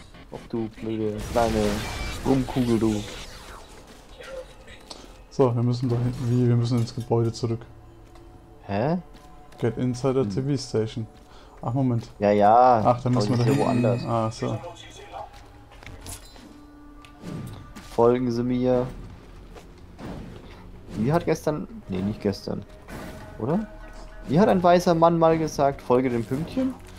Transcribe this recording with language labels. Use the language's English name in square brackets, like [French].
[German] Ach du blöde kleine Rumkugel, du. So, wir müssen da hinten. Wie? Wir müssen ins Gebäude zurück. Hä? [English] Get inside the TV station. [German] Ach, Moment. Ja, ja. Ach, dann müssen wir da hinten. Woanders. Ah, so. Folgen Sie mir. Wie hat gestern. Ne, nicht gestern. Oder? Wie hat ein weißer Mann mal gesagt, folge dem Pünktchen?